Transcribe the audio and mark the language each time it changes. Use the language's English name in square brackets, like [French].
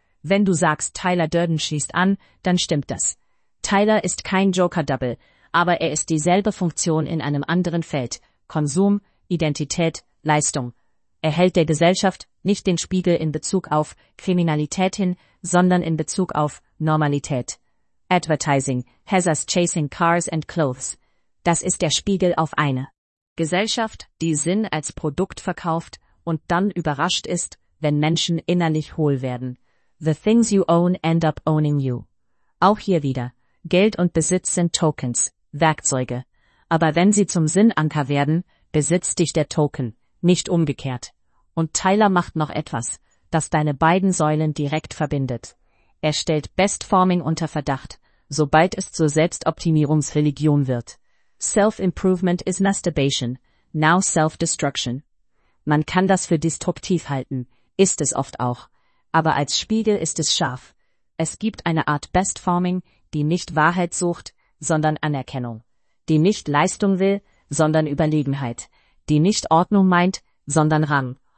[German] Wenn du sagst, Tyler Durden schießt an, dann stimmt das. Tyler ist kein Joker-Double, aber er ist dieselbe Funktion in einem anderen Feld. Konsum, Identität, Leistung. Er hält der Gesellschaft nicht den Spiegel in Bezug auf Kriminalität hin, sondern in Bezug auf Normalität. [English] Advertising has us chasing cars and clothes. [German] Das ist der Spiegel auf eine Gesellschaft, die Sinn als Produkt verkauft und dann überrascht ist, wenn Menschen innerlich hohl werden. [English] The things you own end up owning you. [German] Auch hier wieder. Geld und Besitz sind Tokens, Werkzeuge. Aber wenn sie zum Sinnanker werden, besitzt dich der Token, nicht umgekehrt. Und Tyler macht noch etwas, das deine beiden Säulen direkt verbindet. Er stellt Bestforming unter Verdacht, sobald es zur Selbstoptimierungsreligion wird. [English] Self-improvement is masturbation, now self-destruction. [German] Man kann das für destruktiv halten, ist es oft auch. Aber als Spiegel ist es scharf. Es gibt eine Art Bestforming, die nicht Wahrheit sucht, sondern Anerkennung. Die nicht Leistung will, sondern Überlegenheit. Die nicht Ordnung meint, sondern Rang.